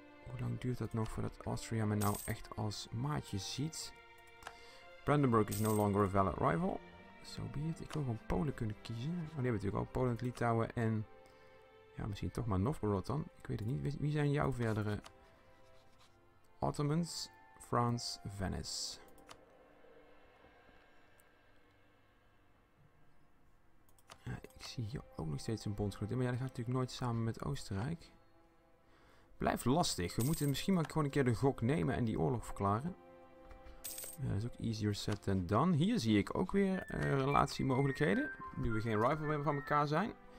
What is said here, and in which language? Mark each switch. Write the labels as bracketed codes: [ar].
[nl] Hoe lang duurt dat nog voordat Austria me nou echt als maatje ziet? [en] Brandenburg is no longer a valid rival. So be it. [nl] Ik wil gewoon Polen kunnen kiezen. Oh, die hebben natuurlijk al Polen, Litouwen en... Ja, misschien toch maar Novgorod dan. Ik weet het niet. Wie zijn jouw verdere... [en] Ottomans, France, Venice. [nl] Ja, ik zie hier ook nog steeds een bondgenoot in. Maar ja, dat gaat natuurlijk nooit samen met Oostenrijk. Blijft lastig. We moeten misschien maar gewoon een keer de gok nemen en die oorlog verklaren. Ja, dat is ook [en] easier said than done. [nl] Hier zie ik ook weer relatiemogelijkheden. Nu we geen rival meer van elkaar zijn.